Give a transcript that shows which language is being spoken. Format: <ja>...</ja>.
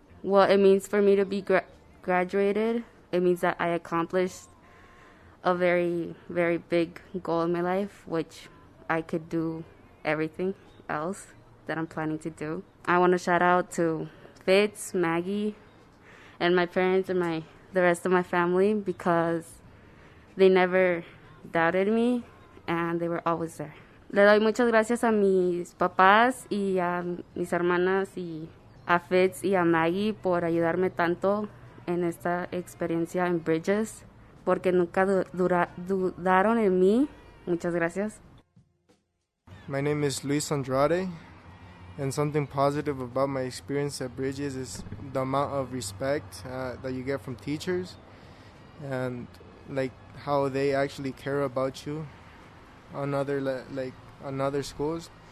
<en>What it means for me to be graduated, it means that I accomplished a very, very big goal in my life, which I could do everything else that I'm planning to do. I want to shout out to Fitz, Maggie, and my parents and the rest of my family because they never doubted me and they were always there.</en> <es>Le doy muchas gracias a mis papás y a mis hermanas y a Fitz y a Maggie por ayudarme tanto en esta experiencia en Bridges porque nunca dudaron en mí. Muchas gracias.</es> <en>My name is Luis Andrade. And something positive about my experience at Bridges is the amount of respect that you get from teachers and like how they actually care about you on other other schools.</en>